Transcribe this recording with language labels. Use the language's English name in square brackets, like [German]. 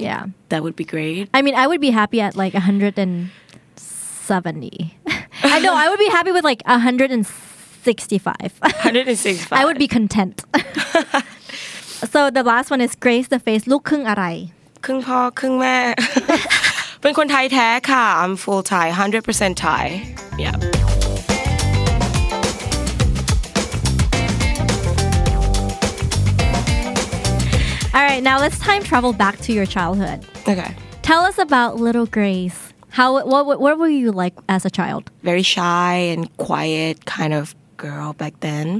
[English] Yeah. That would be great. I mean, I would be happy at, like, 170. I know, I would be happy with, like, 165. 165. I would be content. So, the last one is grace the face. Look, kung arai. Kung pa, kung me. [Thai] เป็นคนไทยแท้ค่ะ [English] I'm full Thai 100% Thai yeah All right now let's time travel back to your childhood Okay Tell us about little Grace How what were you like as a child Very shy and quiet kind of girl back then